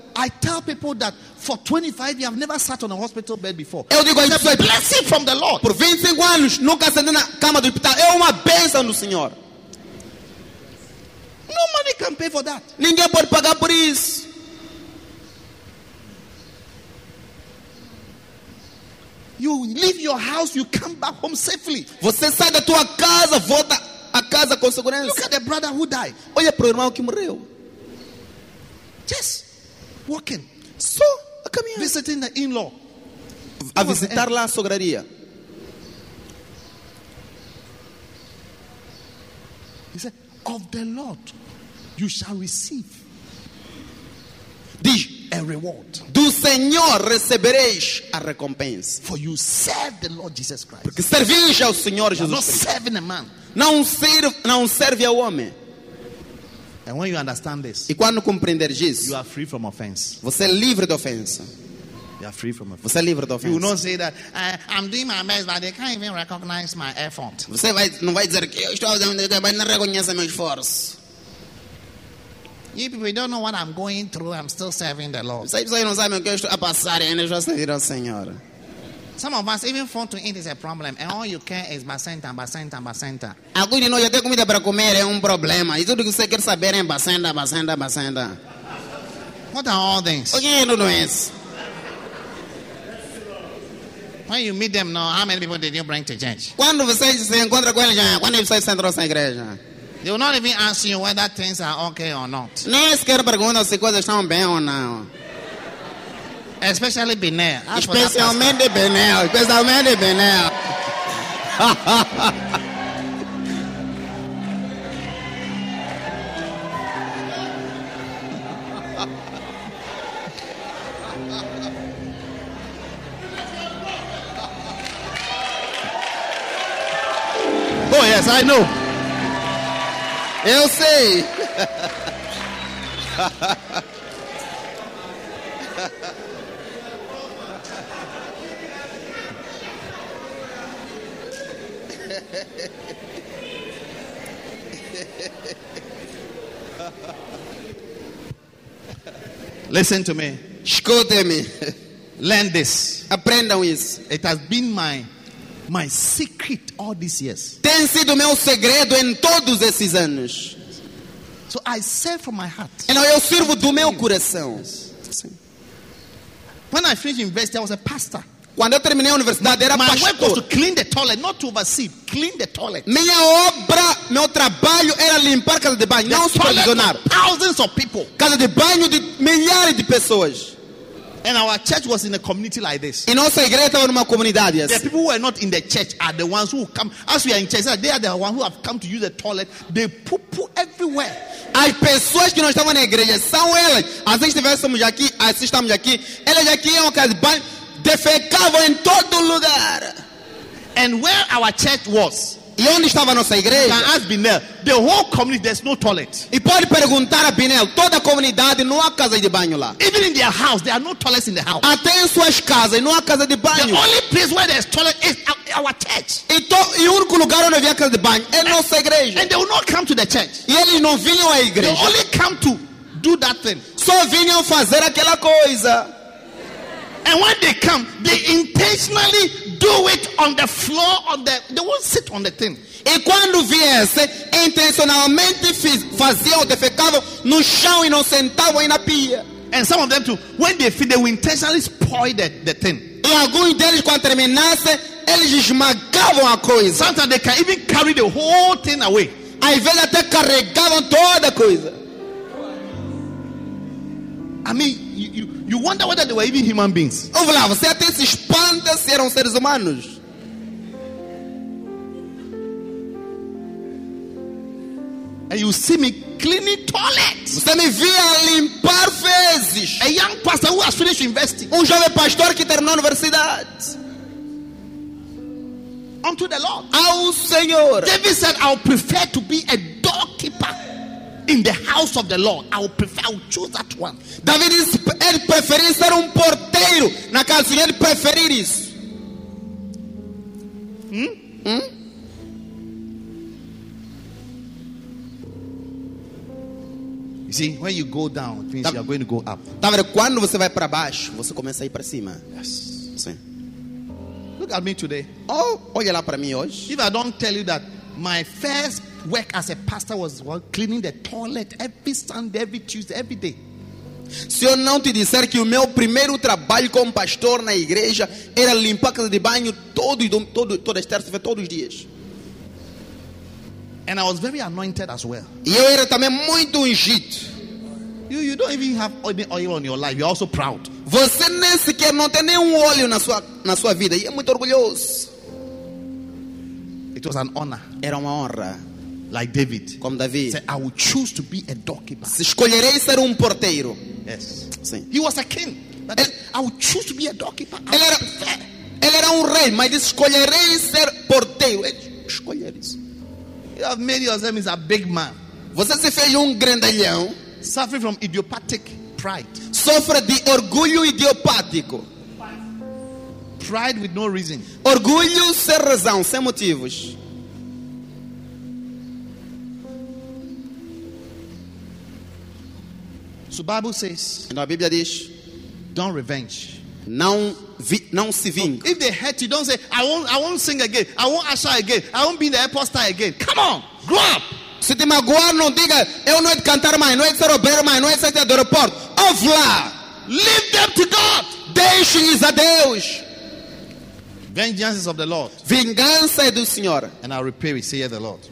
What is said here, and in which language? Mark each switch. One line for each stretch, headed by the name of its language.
English: I tell people that for 25 years I've never sat on a hospital bed before.
Portuguese: Eu digo,
English: it's a blessing from the Lord.
Portuguese: Por 25 anos nunca sentei na cama do hospital. É uma bênção do Senhor.
English: No money can pay for that.
Portuguese: Ninguém pode pagar por isso.
English: You leave your house, you come back home safely.
Portuguese: Você sai da tua casa, volta a casa com segurança.
English: Look at the brother who died.
Portuguese: Olha pro irmão que morreu.
English: Yes. Walking.
Portuguese: So, a caminhar.
English: Visiting the in-law.
Portuguese: A visitar lá a sograria.
English: He said, of the Lord, you shall receive a reward.
Portuguese: Do Senhor recebereis a recompensa.
English: For you serve the Lord Jesus Christ.
Portuguese: Porque servis ao Senhor Jesus
English: Cristo. Not serving a man.
Portuguese: Não serve ao homem.
English: And when you understand this,
Portuguese: e quando compreenderes isso,
English: you are free from offense.
Portuguese: Você é livre de ofensa.
English: You are free from offense.
Portuguese: Você é livre de ofensa.
English: You will not say that I'm doing my best, but they can't even recognize my effort.
Portuguese: Você não vai dizer que eu estou fazendo, mas não reconhece meu esforço.
English: You people don't know what I'm going through. I'm still serving the Lord.
Portuguese: Você não sabe o que eu estou a passar, ainda estou a servir ao Senhor.
English: Some of us even phone to eat is a problem, and all you care is basenta, basenta, basenta.
Portuguese: Alguns de nós até comida para comer é problema. E tudo que você quer saber é basenta, basenta, basenta.
English: What are all things?
Portuguese: O que é tudo isso?
English: When you meet them, now how many people did you bring to church?
Portuguese: Quando você se encontra com eles, quando você entrou na igreja?
English: They will not even ask you whether things are okay or not.
Portuguese: Nem sequer perguntam se coisas estão bem ou não.
English: Especially Bené.
Portuguese: Especialmente Bené. Especialmente Bené.
English: Oh, yes, I know.
Portuguese: Eu sei.
English: Listen to me.
Portuguese: Escute-me.
English: Learn this.
Portuguese: Aprendam isso.
English: It has been my secret all these years.
Portuguese: Tem sido meu segredo em todos esses anos.
English: So I serve from my heart.
Portuguese: Então eu sirvo do meu coração.
English: Yes. When I finished university, I was a pastor.
Portuguese: Quando eu terminei a universidade, era pastor.
English: My work was to clean the toilet, not to oversee. Clean the toilet.
Portuguese: Minha obra, meu trabalho era limpar a casa de banho, não supervisionar.
English: Thousands of people.
Portuguese: Casa de banho de milhares de pessoas.
English: And our church was in a community like this.
Portuguese: E nossa igreja estava numa comunidade assim.
English: The people who are not in the church are the ones who come. As we are in church, they are the ones who have come to use the toilet. They poo everywhere.
Portuguese: As pessoas que não estavam na igreja são elas. As vezes estivéssemos aqui, assim estamos aqui. Elas aqui iam casa de banho. Defecava em todo lugar.
English: And where our church was,
Portuguese: e onde estava a nossa igreja?
English: You can ask Binel, the whole community, there's no toilet.
Portuguese: E pode perguntar a Binel, toda a comunidade não há casa de banho lá.
English: Even in their house, there are no toilets in the house.
Portuguese: Até em suas casas não há casa de banho.
English: The only place where there's toilet is our church.
Portuguese: E o único lugar onde havia casa de banho é nossa igreja.
English: And they will not come to the church.
Portuguese: E eles não vinham à igreja.
English: They only come to do that thing.
Portuguese: Só vinham fazer aquela coisa.
English: And when they come, they intentionally do it on the floor, on the they won't sit on the thing.
Portuguese: E quando viesse, intencionalmente faziam, defecavam no chão e não sentavam na pia.
English: And some of them too, when they feed, they will intentionally spoil the thing.
Portuguese: E alguns deles, quando terminasse, eles esmagavam a coisa.
English: Sometimes they can even carry the whole thing away.
Portuguese: Às vezes até carregavam toda a coisa.
English: I mean, you wonder whether they were even human beings.
Portuguese: Ouve lá, você até se espanta se eram seres humanos.
English: And you see me cleaning toilets.
Portuguese: Você me via limpar fezes.
English: A young pastor who has finished university.
Portuguese: Um jovem pastor que terminou a universidade.
English: Unto the Lord.
Portuguese: Ao Senhor.
English: David said, I would prefer to be a doorkeeper in the house of the Lord. I will choose that one.
Portuguese: David is ele preferir ser porteiro na casa do Senhor. Ele preferir isso.
English: You see, when you go down, things you are going to go up.
Portuguese: Tá vendo? Quando você vai para baixo, você começa a ir para cima.
English: Yes.
Portuguese: Sim.
English: Look at me today.
Portuguese: Oh, olha lá para mim hoje.
English: If I don't tell you that my first work as a pastor was cleaning the toilet every Sunday, every Tuesday, every day.
Portuguese: Se eu não te disser que o meu primeiro trabalho como pastor na igreja era limpar a casa de banho todas as terças-feiras, todos os dias.
English: And I was very anointed as well.
Portuguese: E eu era também muito ungido.
English: You don't even have oil on your life. You're also proud.
Portuguese: Você nem sequer não tem nenhum óleo na sua vida. E é muito orgulhoso.
English: It was an honor.
Portuguese: Era uma honra.
English: Like David.
Portuguese: Como David.
English: Said, I will choose to be a doorkeeper.
Portuguese: Se escolherei ser porteiro.
English: Yes.
Portuguese: Sim.
English: He was a king. But I will choose to be a doorkeeper.
Portuguese: Ele era rei, mas disse, escolherei ser porteiro. Escolher isso.
English: You have made yourself as a big man.
Portuguese: Você se fez grandalhão.
English: Suffering from idiopathic pride.
Portuguese: Sofre de orgulho idiopático.
English: Pride with no reason.
Portuguese: Orgulho sem razão, sem motivos.
English: So Bible says, and the Bible says, don't revenge.
Portuguese: Não se vingue.
English: If they hurt you, don't say, I won't sing again. I won't usher again. I won't be the apostle again. Come on, grow up.
Portuguese: Se te magoar, não diga, eu não vou cantar mais, não vou ser obreiro mais, não vou sair do aeroporto. Ouve lá.
English: Leave them to God.
Portuguese: Deixe-lhes a Deus.
English: Vengeance is of the Lord.
Portuguese: Vingança é do Senhor.
English: And I'll repay it, saith the Lord.